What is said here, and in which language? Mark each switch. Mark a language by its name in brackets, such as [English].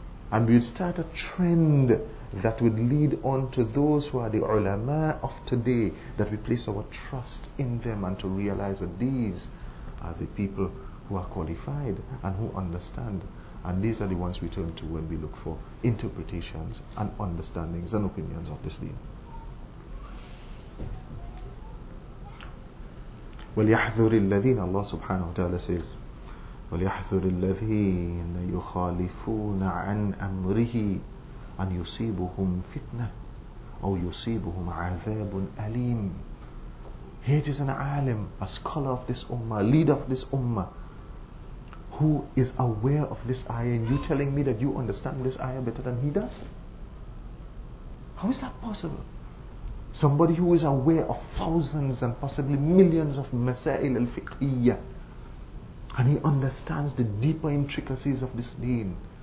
[English] And we will start a trend that would lead on to those who are the ulama of today, that we place our trust in them, and to realize that these are the people who are qualified and who understand. And these are the ones we turn to when we look for interpretations and understandings and opinions of this deen. [Arabic] وليحذر الذين الله سبحانه وتعالى [English] says [Arabic] وليحذر الذين يخالفون عن أمره أن يصيبهم فتنة أو يصيبهم عذاب أليم. [English] Here it is an alim, a scholar of this ummah, leader of this ummah, who is aware of this ayah, and you telling me that you understand this ayah better than he does? How is that possible? Somebody who is aware of thousands and possibly millions of masail al-fiqhiyya, and he understands the deeper intricacies of this deen.